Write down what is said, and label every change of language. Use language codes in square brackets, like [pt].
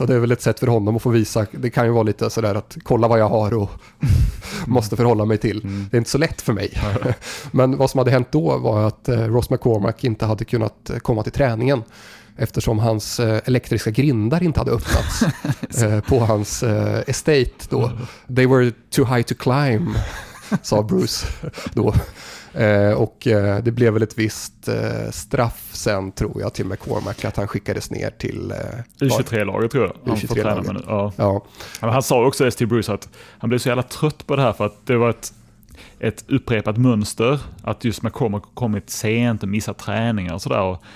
[sv] Och det är väl ett sätt för honom att få visa. Det kan ju vara lite sådär att kolla vad jag har och måste förhålla mig till. Det är inte så lätt för mig. Men vad som hade hänt då var att Ross McCormack inte hade kunnat komma till träningen eftersom hans elektriska grindar inte hade öppnats på hans estate då. [en] They were too high to climb, [sv] sa Bruce då. Och det blev väl ett visst straff sen, tror jag, till McCormack, att han skickades ner till U23-laget, tror jag. U23-laget. Ja. Ja. Han sa också till Bruce att han blev så jävla trött på det här för att det var ett upprepat mönster att just McCormack kommit sent och missat träningar och sådär.